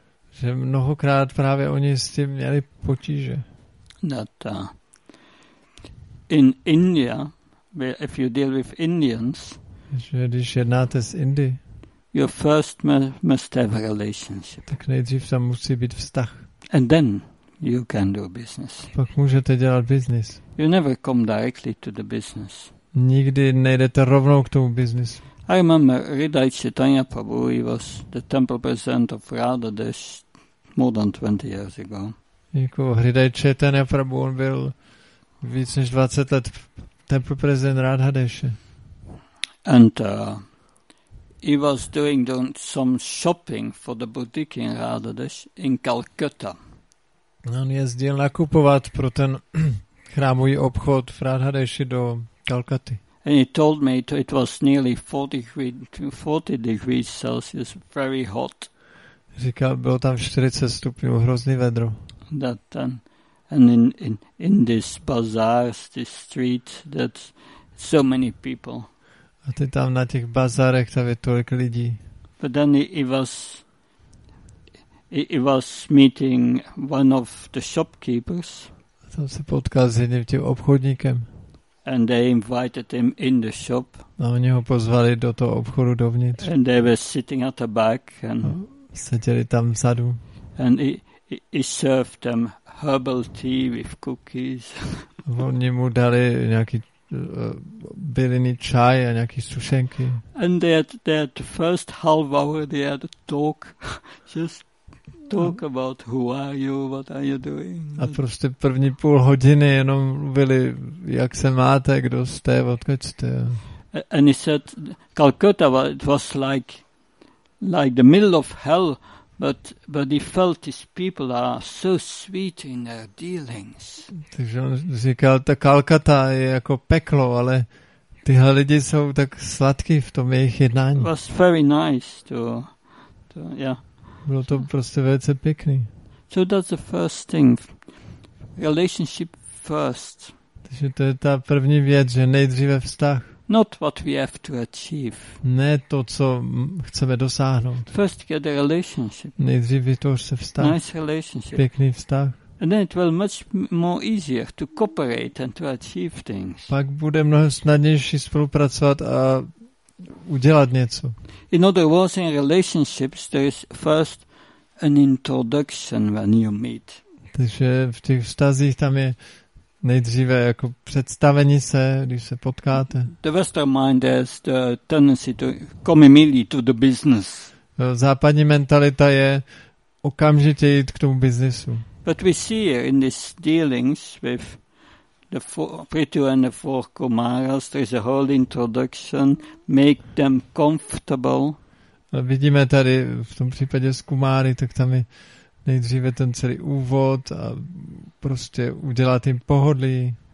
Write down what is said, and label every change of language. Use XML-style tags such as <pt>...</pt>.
<cs>Že mnohokrát právě oni s tím měli potíže.</cs> <en>That in India, if you deal with Indians,</en> <cs>že když jednáte s Indy,</cs> <en>your first must have a relationship.</en> <cs>Tak nejdřív tam musí být vztah.</cs> <en>And then you can do business.</en> <cs>Pak můžete dělat business.</cs> <en>You never come directly to the business.</en> <cs>Nikdy nejdete rovnou k tomu business.</cs> <en>I remember Hridaj Chaitanya Prabhu, he was the temple president of Radha Desh more than 20 years ago.</en> <cs>Jako Hridaj Chaitanya Prabhu, on byl víc než 20 let temple president Radha Deshe.</cs> <en>And he was doing some shopping for the boutique in Radha Desh in Calcutta.</en> <cs>On jezdil nakupovat pro ten chrámový obchod v Radha Deshi do Kalkaty.</cs> <en>And he told me it was nearly 40 degrees Celsius, very hot.</en> <cs>Říkal, bylo tam 40 stupňů, hrozný vedro.</cs> <en>That and in this bazaars, this street, that so many people.</en> <cs>A ty tam na těch bazarech, tam je tolik lidí.</cs> <en>But then he was meeting one of the shopkeepers.</en> <cs>A tam se potkal s jedním tím obchodníkem.</cs> <en>And they invited him in the shop.</en> <cs>A oni ho pozvali do toho obchodu dovnitř.</cs> <en>And they were sitting at the back. And</en> <cs>seděli tam vzadu.</cs> <en>And he served them herbal tea with cookies.</en> <cs>Oni mu dali nějaký byliny čaj a nějaký sušenky.</cs> <en>And they had the first half hour they had a talk. Just talk about who are you, what are you doing.</en> <cs>A prostě první půl hodiny jenom mluvili, jak se máte, kdo jste, odkud jste.</cs> <en>And he said, Calcutta, well, it was like the middle of hell, but he felt these people are so sweet in their dealings.</en> <cs>Takže on říkal, ta Calcutta je jako peklo, ale tyhle lidi jsou tak sladký v tom jejich jednání.</cs> <en>It was very nice to yeah.</en> <cs>Bylo to prostě velice pěkný.</cs> <en>So that's the first thing. Relationship first.</en> <cs>Takže to je ta první věc, že nejdříve vztah.</cs> <en>Not what we have to achieve.</en> <cs>Ne to, co chceme dosáhnout.</cs> <en>First get a relationship.</en> <cs>Nejdřív vytvoř se vztah.</cs> <en>Nice relationship.</en> <cs>Pěkný vztah.</cs> <en>And then it will much more easier to cooperate and to achieve things.</en> <cs>Pak bude mnohem snadnější spolupracovat a udělat něco.</cs> <en>In other words, in relationships there is first an introduction when you meet.</en> <cs>Takže v těch vztazích tam je nejdříve jako představení se, když se potkáte.</cs> <en>The Western mind has the tendency to come immediately to the business.</en> <cs>Západní mentalita je okamžitě jít k tomu biznesu.</cs> <en>But we see here in these dealings with the Prithu and the four Kumaras, there is a whole introduction, make them comfortable.</en> <cs>Vidíme tady v tom případě s Kumáry, tak tam je nejdříve ten celý úvod a prostě udělat jim pohodlí.</cs>